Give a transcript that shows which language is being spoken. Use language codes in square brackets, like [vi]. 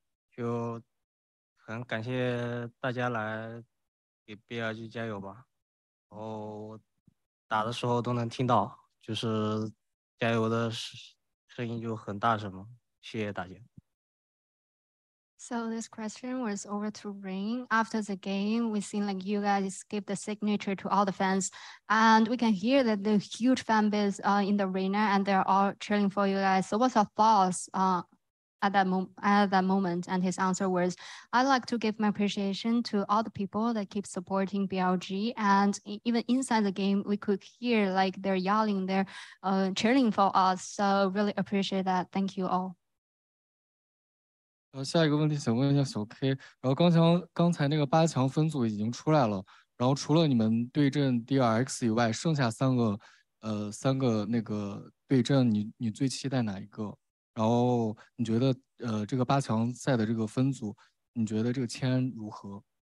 [zh] 就很感谢大家来给 BLG 加油吧，然后打的时候都能听到，就是加油的声音就很大声嘛，谢谢大家。 [en] So this question was over to Rain. After the game, we've seen like you guys give the signature to all the fans, and we can hear that the huge fan base in the arena, and they're all cheering for you guys. So what's your thoughts at that moment? And his answer was, I'd like to give my appreciation to all the people that keep supporting BLG. And even inside the game, we could hear like they're yelling, they're cheering for us. So really appreciate that. Thank you all. [zh] 下一个问题想问一下小 K， 然后刚才那个八强分组已经出来了，然后除了你们对阵 DRX 以外，剩下三个那个对阵你最期待哪一个？然后你觉得这个八强赛的这个分组，你觉得这个签如何？